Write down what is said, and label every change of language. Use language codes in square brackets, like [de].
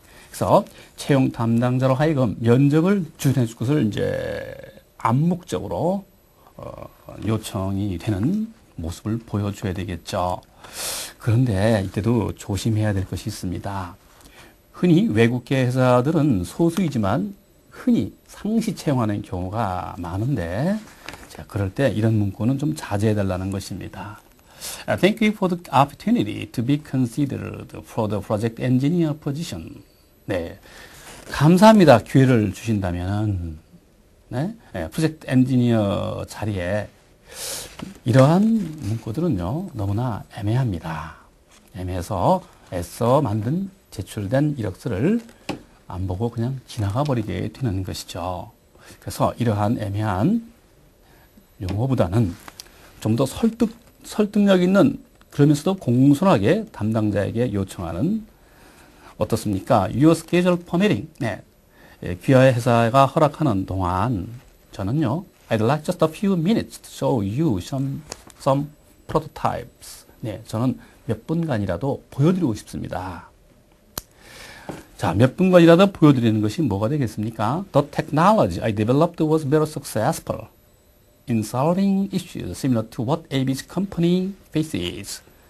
[ko] 그래서 채용 담당자로 하여금 면접을 추진해 줄 것을 이제 암묵적으로 요청이 되는 모습을 보여줘야 되겠죠. 그런데 이때도 조심해야 될 것이 있습니다. 흔히 외국계 회사들은 소수이지만 흔히 상시 채용하는 경우가 많은데 그럴 때 이런 문구는 좀 자제해 달라는 것입니다. [en] Thank you for the opportunity to be considered for the project engineer position. [ko] 네, 감사합니다. 기회를 주신다면은 네? 네, 프로젝트 엔지니어 자리에 이러한 문구들은요 너무나 애매합니다. 애매해서 애써 만든 제출된 이력서를 안 보고 그냥 지나가 버리게 되는 것이죠. 그래서 이러한 애매한 용어보다는 좀 더 설득력 있는 그러면서도 공손하게 담당자에게 요청하는 어떻습니까? [en] Your schedule permitting. [ko] 네. 예, 귀하의 회사가 허락하는 동안 저는요, [en] I'd like just a few minutes to show you some prototypes. [ko] 네, 저는 몇 분간이라도 보여드리고 싶습니다. 자, 몇 분간이라도 보여드리는 것이 뭐가 되겠습니까? [en] The technology I developed was very successful in solving issues similar to what ABC company faces.